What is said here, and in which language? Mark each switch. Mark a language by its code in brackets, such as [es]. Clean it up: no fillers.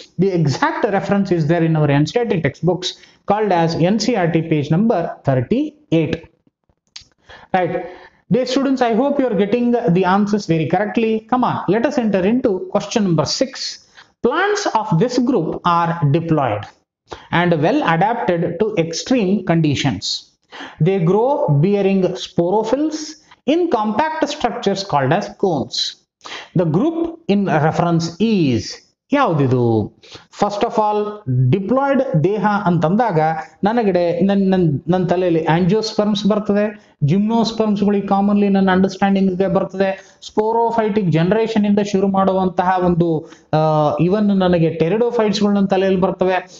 [en] The exact reference is there in our NCERT text books called as NCERT page number 38. Right dear students, I hope you are getting the answers very correctly. Come on, let us enter in to question number 6. Plants of this group are diploid and well adapted to extreme conditions. They grow bearing sporophylls in compact structures called as cones. The group in reference is [kn] ಯಾವುದಿದು? [en] first of all, [kn] diploid ದೇಹ ಅಂತಂದಾಗ ನನಗಡೆ ನನ್ನ ತಲೆಯಲ್ಲಿ ಆಂಜಿಯೋಸ್ಪರ್ಮ್ಸ್ ಬರ್ತದೆ, ಜಿಮ್ನೋಸ್ಪರ್ಮ್ಸ್ಗಳಿಗೆ commonly ನನ್ನ ಅಂಡರ್ಸ್ಟ್ಯಾಂಡಿಂಗ್ಗೆ ಬರ್ತದೆ. Sporophytic generation ಇಂದ ಶುರು ಮಾಡುವಂತಹ ಒಂದು ಇವನ್ ನನಗೆ ಟೆರಿಡೋಫೈಟ್ಸ್ಗಳು ನನ್ನ ತಲೆಯಲ್ಲಿ ಬರ್ತವೆ.